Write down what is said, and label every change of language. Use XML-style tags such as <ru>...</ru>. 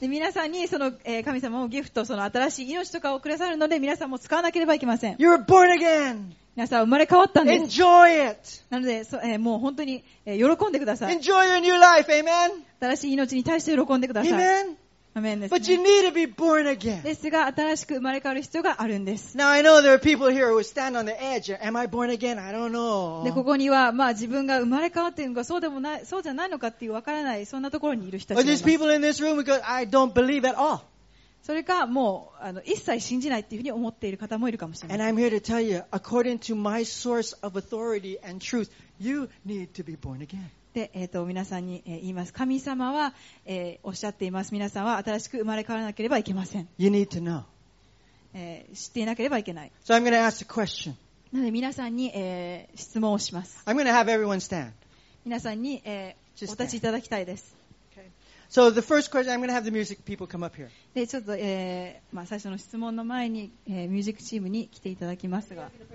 <ja>で皆さんにその神様もギフトその新しい命とかをくださるので皆さんも使わなければいけません。</ja> <en>You're born again.</en> <ja>皆さん生まれ変わったんです。</ja> <en>Enjoy it.</en> <ja>なのでもう本当に喜んでください。</ja> <en>Enjoy your new life. Amen.</en> <ja>新しい命に対して喜んでください。</ja> <en>Amen.</en> <ja>ね、</ja> <en>But you need to be born again.</en> <ja>ですが、新しく生まれ変わる必要があるんです。</ja> <en>Now I know there are people here who stand on the edge. Am I born again? I don't know.</en> <ja>で、ここには、まあ自分が生まれ変わっているのか、そうでもない、そうじゃないのかっていう分からない、そんなところにいる人たちがいます。</ja> <en>But there's people in this room because I don't believe at all.</en> <ja>それか、もう、一切信じないっていうふうに思っている方もいるかもしれません。</ja> <en>And I'm here to tell you, according to my source of authority and truth, you need to be born again.</en> <ja>で皆さんに言います。神様は、おっしゃっています。皆さんは新しく生まれ変わらなければいけません。</ja> <en>You need to know.</en> <ja>知っていなければいけない。</ja> <en>So I'm going to ask a question.</en> <ja>なので皆さんに、質問をします。</ja> <en>I'm going to have everyone stand.</en> <ja>皆さんに、お立ちいただきたいです。</ja> <en>Okay. So the first question, I'm going to have the music people come up here.</en> <ja>でちょっと、まあ、最初の質問の前に、ミュージックチームに来ていただきますが。</ja>